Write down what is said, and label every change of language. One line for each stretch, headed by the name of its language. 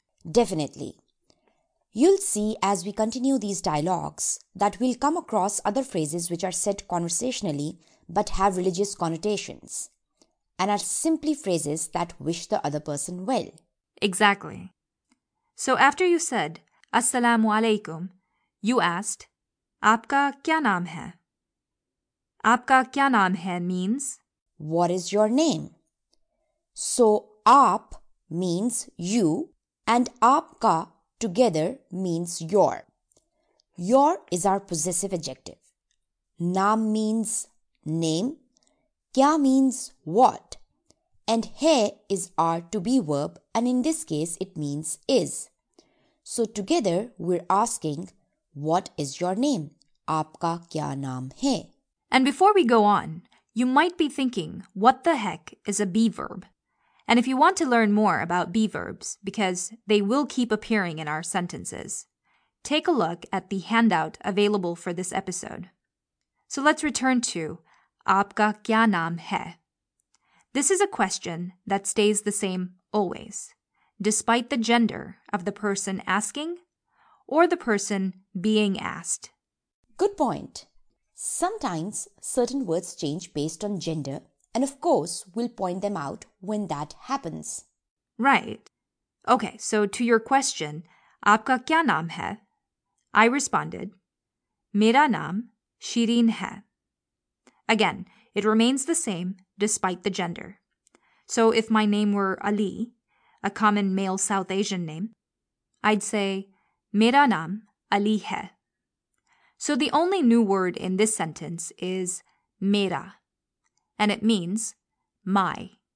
English: Definitely. You'll see as we continue these dialogues that we'll come across other phrases which are said conversationally but have religious connotations and are simply phrases that wish the other person well. Exactly. So after you said
Urdu: السلام علیکم,
English: you asked
Urdu: آپکا کیا نام ہے? آپکا کیا نام ہے
English: means what is your name? So aap means you and aapka together means your. Your is our possessive adjective. Naam means name. Kya means what. And hai is our to-be verb, and in this case, it means is. So together, we're asking, what is your name?
Urdu: Aapka kya naam hai?
English: And before we go on, you might be thinking, what the heck is a be verb? And if you want to learn more about be verbs, because they will keep appearing in our sentences, take a look at the handout available for this episode. So let's return to
Urdu: آپکا کیا نام ہے?
English: This is a question that stays the same always, despite the gender of the person asking or the person being asked. Good point. Sometimes certain words change based on gender, and of course, we'll point them out when that happens. Right. Okay, so to your question,
Urdu: آپکا کیا نام ہے?
English: I responded,
Urdu: میرا نام شیریں ہے.
English: Again, it remains the same despite the gender. So if my name were Ali, a common male South Asian name, I'd say,
Urdu: mera naam Ali hai.
English: So the only new word in this sentence is mera, and it means my.